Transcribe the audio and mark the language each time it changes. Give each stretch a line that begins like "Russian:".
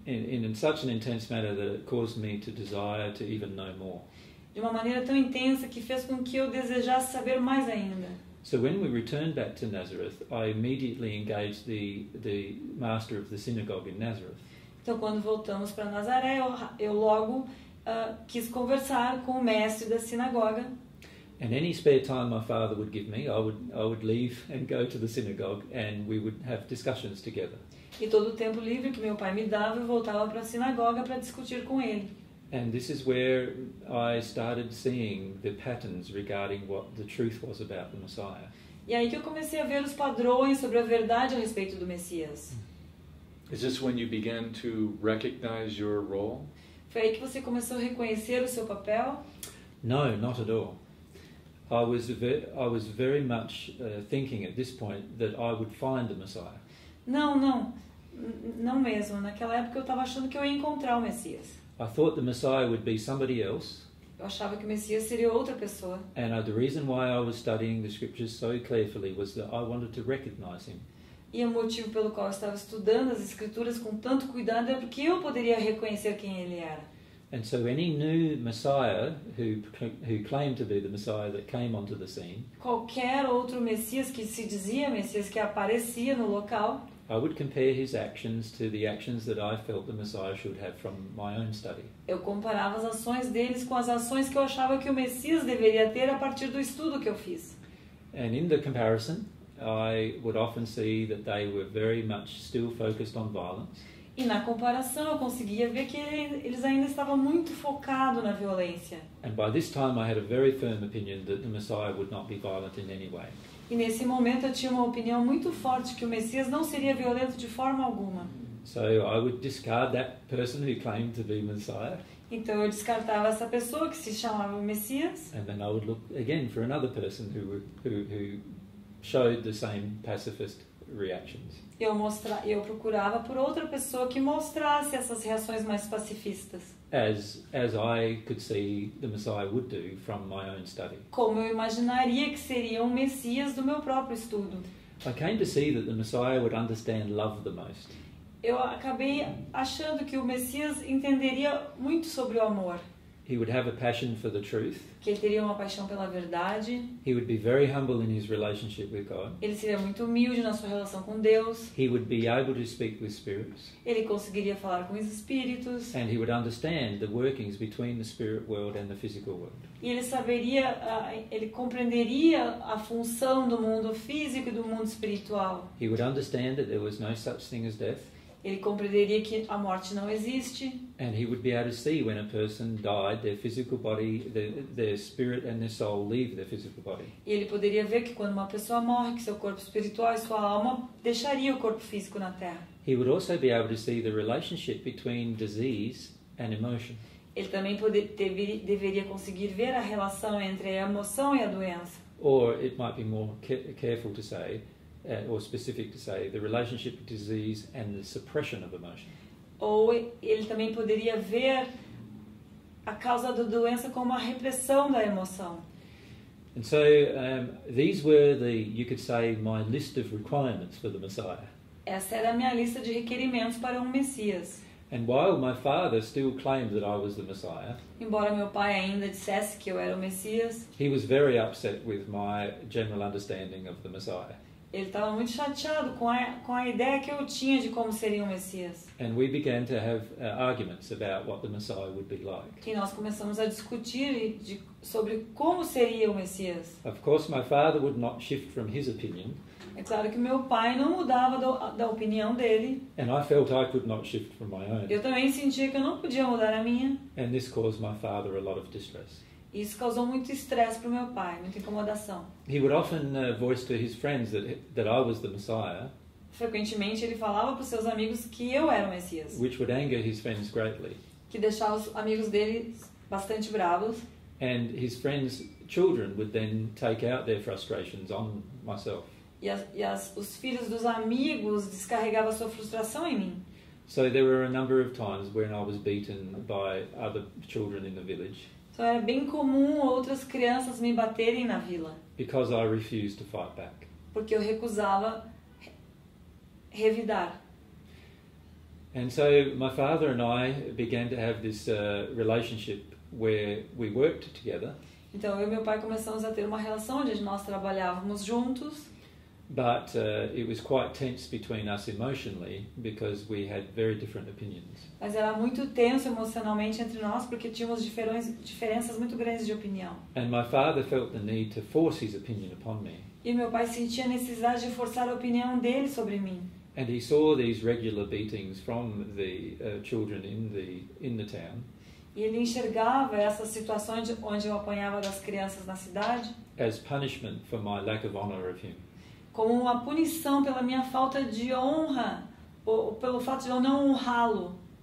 English: In such an intense manner that it caused me to desire to even know more.
Portuguese: De uma maneira tão intensa que fez com que eu desejasse saber mais ainda.
English: So when we returned back to Nazareth, I immediately engaged the master of the synagogue in Nazareth.
Portuguese: Então quando voltamos para Nazaré, eu logo quis conversar com o mestre da sinagoga.
English: And any spare time my father would give me, I would leave and go to the synagogue and we would have discussions together.
Portuguese: E todo o tempo livre que meu pai me dava, eu voltava para a sinagoga para discutir com ele.
English: And this is where I started seeing the patterns regarding what the truth was about the Messiah.
Portuguese: E aí que eu comecei a ver os padrões sobre a verdade a respeito do Messias.
English: Is this when you began to recognize your role?
Portuguese: Foi aí que você começou a reconhecer o seu papel?
English: No, not at all. I was very much thinking at this point that I would find the Messiah.
Portuguese: Não mesmo. Naquela época eu estava achando que eu ia encontrar o Messias.
English: I thought the Messiah would be somebody else.
Portuguese: Eu achava que o Messias seria outra pessoa.
English: And the reason why I was studying the scriptures so carefully was that I wanted to recognize him.
Portuguese: E o motivo pelo qual eu estava estudando as escrituras com tanto cuidado era porque eu poderia reconhecer quem ele era.
English: And so any new Messiah who claimed to be the Messiah that came onto the scene,
Portuguese: qualquer outro Messias que se dizia Messias que aparecia no local,
English: I would compare his actions to the actions that I felt the Messiah should have from my own study.
Portuguese: Eu comparava as ações deles com as ações que eu achava que o Messias deveria ter a partir do estudo que eu fiz.
English: And in the comparison, I would often see that they were very much still focused on violence.
Portuguese: E na comparação eu conseguia ver que eles ainda estavam muito focados na violência.
English: And by this time I had a very firm opinion that the Messiah would not be violent in any way.
Portuguese: E nesse momento eu tinha uma opinião muito forte que o Messias não seria violento de forma alguma.
English: So I would discard that person who claimed to be Messiah.
Portuguese: Então eu descartava essa pessoa que se chamava Messias.
English: And then I would look again for another person who showed the same pacifist reactions.
Portuguese: Eu procurava por outra pessoa que mostrasse essas reações mais pacifistas.
English: As I could see the Messiah would do from my own study.
Portuguese: Como eu imaginaria que seria um Messias do meu próprio estudo.
English: I came to see that the Messiah would understand love the most.
Portuguese: Eu acabei achando que o Messias entenderia muito sobre o amor.
English: He would have a passion for the truth.
Portuguese: Que ele teria uma paixão pela verdade.
English: He would be very humble in his relationship with God.
Portuguese: Ele seria muito humilde na sua relação com Deus.
English: He would be able to speak with spirits.
Portuguese: Ele conseguiria falar com os espíritos.
English: And he would understand the workings between the spirit world and the physical world.
Portuguese: E ele saberia, ele compreenderia a função do mundo físico e do mundo espiritual.
English: He would understand that there was no such thing as death.
Portuguese: Ele compreenderia que a morte não existe.
English: And he would be able to see when a person died, their physical body, their spirit and their soul leave their physical body.
Portuguese: E ele poderia ver que quando uma pessoa morre, que seu corpo espiritual e sua alma deixaria o corpo físico na Terra.
English: He would also be able to see the relationship between disease and emotion.
Portuguese: Ele também deveria conseguir ver a relação entre a emoção e a doença.
English: Or it might be more careful to say, or specific to say, the relationship of disease and the suppression of emotion.
Portuguese: Ou ele também poderia ver a causa da doença como a repressão da emoção.
English: And so these were the, you could say, my list of requirements for the Messiah.
Portuguese: Essa era a minha lista de requerimentos para um Messias.
English: And while my father still claimed that I was the Messiah,
Portuguese: embora meu pai ainda dissesse que eu era o Messias,
English: he was very upset with my general understanding of the Messiah.
Portuguese: Ele estava muito chateado com a ideia que eu tinha de como seria o Messias.
English: And we began to have arguments about what the Messiah would be like.
Portuguese: E nós começamos a discutir sobre como seria o Messias.
English: Of course, my father would not shift from his opinion.
Portuguese: É claro que meu pai não mudava da opinião dele.
English: And I felt I could not shift from my own.
Portuguese: Eu também sentia que eu não podia mudar a minha.
English: And this caused my father a lot of distress.
Portuguese: Isso causou muito estresse para o meu pai, muita incomodação.
English: He would often voice to his friends that I was the Messiah.
Portuguese: Frequentemente ele falava para os seus amigos que eu era o Messias.
English: Which would anger his friends greatly.
Portuguese: Que deixava os amigos dele bastante bravos.
English: And his friends' children would then take out their frustrations on myself.
Portuguese: E os filhos dos amigos descarregavam sua frustração em mim.
English: So there were a number of times when I was beaten by other children in the village.
Portuguese: Então era bem comum outras crianças me baterem na vila.
English: Because I refused to fight back.
Portuguese: Porque eu recusava revidar.
English: And so my father and I began to have this relationship where we worked together.
Portuguese: Então eu e meu pai começamos a ter uma relação onde nós trabalhávamos juntos.
English: But it was quite tense between us emotionally because we had very different opinions.
Portuguese: Mas era muito tenso emocionalmente entre nós porque tínhamos diferenças muito grandes de opinião.
English: And my father felt the need to force his opinion upon me.
Portuguese: E meu pai sentia a necessidade de forçar a opinião dele sobre mim.
English: And he saw these regular beatings from the children in the town.
Portuguese: E ele enxergava essas situações onde eu apanhava das crianças na cidade
English: as punishment for my lack of honor of him.
Portuguese: Como uma punição pela minha falta de honra, ou pelo fato de eu não honrá-lo.